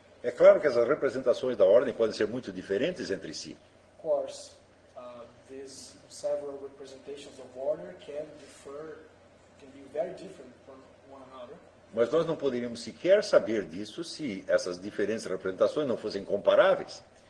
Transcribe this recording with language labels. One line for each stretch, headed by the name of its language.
Portuguese: É claro que essas representações da ordem podem ser muito diferentes entre si.
English: Of course, these several representations of order can be very different from one another.
Portuguese: Mas nós não poderíamos sequer saber disso se essas diferentes representações não fossem comparáveis.